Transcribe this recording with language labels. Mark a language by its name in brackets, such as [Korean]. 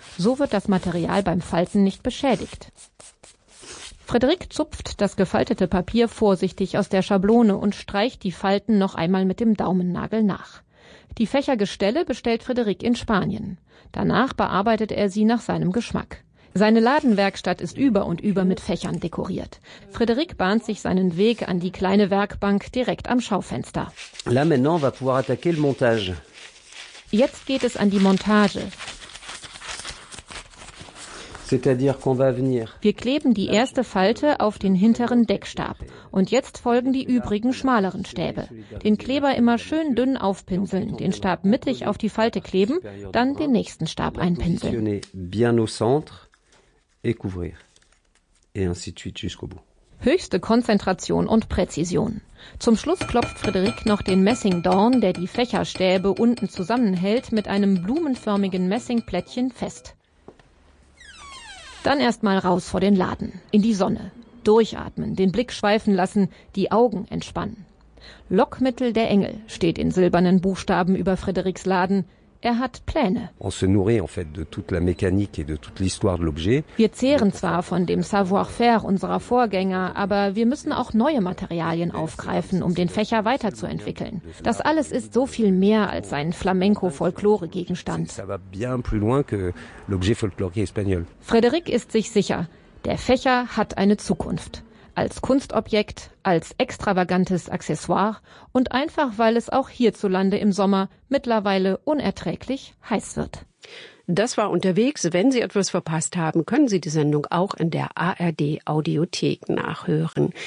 [German] So wird das Material beim Falten nicht beschädigt. Frédéric zupft das gefaltete Papier vorsichtig aus der Schablone und streicht die Falten noch einmal mit dem Daumennagel nach. Die Fächergestelle bestellt Frédéric in Spanien. Danach bearbeitet er sie nach seinem Geschmack. Seine Ladenwerkstatt ist über und über mit Fächern dekoriert. Frédéric bahnt sich seinen Weg an die kleine Werkbank direkt am Schaufenster. [French] Là maintenant, on va pouvoir attaquer le montage. [German] Jetzt geht es an die Montage. [French] C'est-à-dire qu'on va venir. [German] Wir kleben die erste Falte auf den hinteren Deckstab und jetzt folgen die übrigen schmaleren Stäbe. Den Kleber immer schön dünn aufpinseln, den Stab mittig auf die Falte kleben, dann den nächsten Stab einpinseln. [French] Bien au centre et couvrir. Et ainsi de suite jusqu'au bout. [German] Höchste Konzentration und Präzision. Zum Schluss klopft Frédéric noch den Messingdorn, der die Fächerstäbe unten zusammenhält, mit einem blumenförmigen Messingplättchen fest. Dann erst mal raus vor den Laden, in die Sonne. Durchatmen, den Blick schweifen lassen, die Augen entspannen. Lockmittel der Engel steht in silbernen Buchstaben über Frédérics Laden. Er hat Pläne. [French] On se nourrit en fait de toute la mécanique et de toute l'histoire de l'objet. [German] Wir zehren zwar von dem Savoir-faire unserer Vorgänger, aber wir müssen auch neue Materialien aufgreifen, um den Fächer weiterzuentwickeln. Das alles ist so viel mehr als ein Flamenco-Folklore-Gegenstand. [French] Ça va bien plus loin que l'objet folklorique espagnol. [German] Frédéric ist sich sicher, der Fächer hat eine Zukunft. Als Kunstobjekt, als extravagantes Accessoire und einfach, weil es auch hierzulande im Sommer mittlerweile unerträglich heiß wird. Das war unterwegs. Wenn Sie etwas verpasst haben, können Sie die Sendung auch in der ARD Audiothek nachhören.